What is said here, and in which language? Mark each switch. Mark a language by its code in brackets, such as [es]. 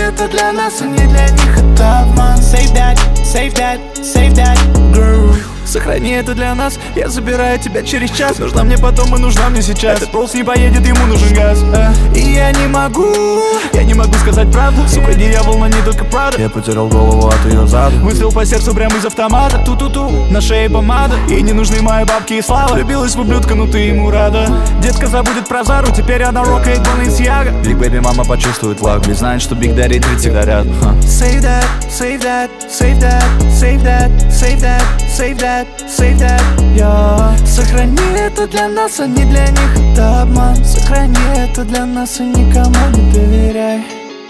[ru] Для нас и не для них, это обман. [en] Save that, save that, save that, girl. [ru] Сохрани это для нас, я забираю тебя через час. Нужна мне потом и нужна мне сейчас. Этот пульс не поедет, ему нужен газ. И я не могу сказать правду. Сука, не я волна, не только Прада. Я потерял голову от ее зада. Выстрел по сердцу прямо из автомата. Ту-ту-ту, на шее помада. Ей не нужны мои бабки и слава. Влюбилась в ублюдка, но ты ему рада. Детка забудет про Зару, теперь она рокает Balenciaga. Биг бэби мама почувствует лаг. Ведь знает, что Биг Дэдди три всегда рядом. [en] Save that, save that, save that, save that, save that, save that, save that. Save that, yeah. [ru] Сохрани это для нас, а не для них, это обман. Сохрани это для нас и никому не доверяй.